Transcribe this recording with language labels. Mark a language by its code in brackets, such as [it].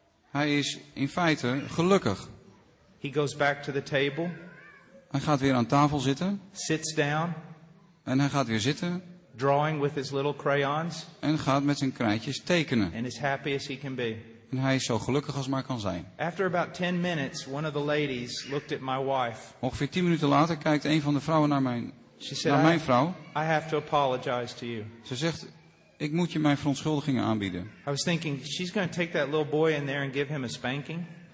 [nl] Hij is in feite gelukkig. [en] He goes back to the table. [nl] Hij gaat weer aan tafel zitten. [en] Sits down. [nl] En hij gaat weer zitten. [en] Drawing with his little crayons. [nl] En gaat met zijn krijtjes tekenen. [en] And as happy as he can be. [nl] En hij is zo gelukkig als maar kan zijn. [en] After about 10 minutes, one of the ladies looked at my wife. [nl] Ongeveer 10 minuten later kijkt een van de vrouwen naar mijn [en] She said, [nl] naar mijn vrouw. [en] I have to apologize to you. [nl] Ze zegt, ik moet je mijn verontschuldigingen aanbieden. [en] I was thinking, she's going to take that little boy in there and give him a spanking.